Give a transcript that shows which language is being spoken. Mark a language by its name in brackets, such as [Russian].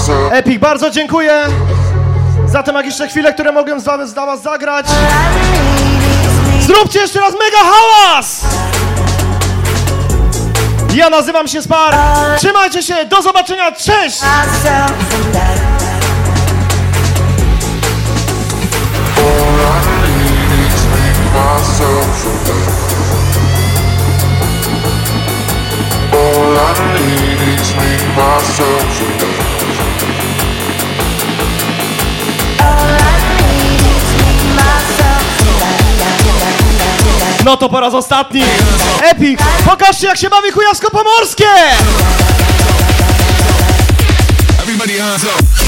[Polish] Epic, bardzo dziękuję za te magiczne chwile, które mogłem za was zagrać. Zróbcie jeszcze raz mega hałas! Ja nazywam się Spar. Trzymajcie się, do zobaczenia, cześć! [English] All I need is me, myself, and I. [Polish] No to po raz ostatni. Epic, pokażcie jak się bawi Kujawsko-Pomorskie. [English] Everybody hands up.